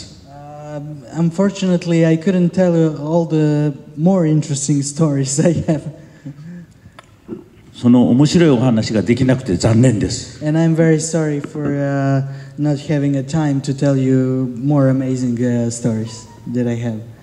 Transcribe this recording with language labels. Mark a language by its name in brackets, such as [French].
[English] Unfortunately, I couldn't tell you all the more interesting stories I have. [Japanese] その面白いお話ができなくて残念です。 [English] And I'm very sorry for not having a time to tell you more amazing stories that I have.